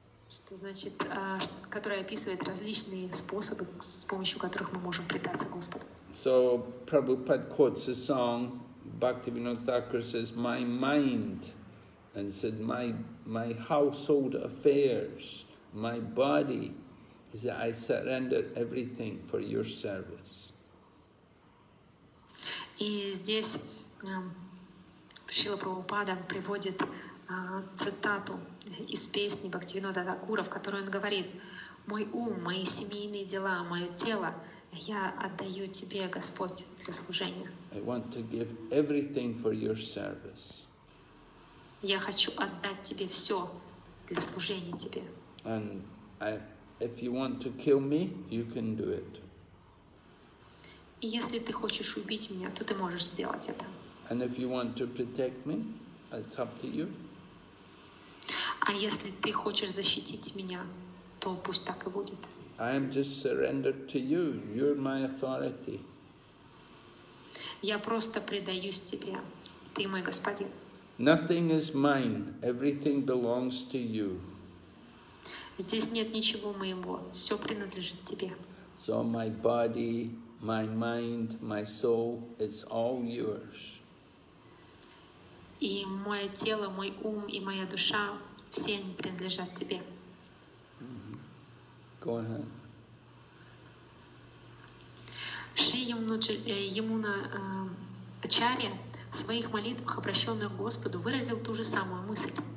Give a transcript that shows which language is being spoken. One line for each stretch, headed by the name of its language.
Russian: Что значит, который описывает различные способы, с помощью которых мы можем предаться Господу.
English: So Prabhupada quotes a song, Bhaktivinoda Thakur says, my mind, and said, my household affairs, my body, is that I surrender everything for your service.
Russian: И здесь Шрила Прабхупада приводит цитату из песни Бхактивинода Такура, в которой он говорит: «Мой ум, мои семейные дела, мое тело я отдаю тебе, Господь, для служения».
English: I want to give everything for your service.
Russian: Я хочу отдать тебе все для служения тебе.
English: And if you want to kill me, you can do it.
Russian: И если ты хочешь убить меня, то ты можешь сделать это.
English: And if you want to protect me, it's up to you.
Russian: А если ты хочешь защитить меня, то пусть так и будет.
English: I am just surrendered to you. You're my authority.
Russian: Я просто предаюсь тебе. Ты мой господин.
English: Nothing is mine. Everything belongs to you.
Russian: Здесь нет ничего моего. Все принадлежит тебе.
English: So my body, my mind, my soul, it's all yours.
Russian: И мое тело, мой ум и моя душа, все они принадлежат тебе.
English: Go ahead.
Russian: Шри Ямуна Ачарья в своих молитвах, обращенных к Господу, выразил ту же самую мысль.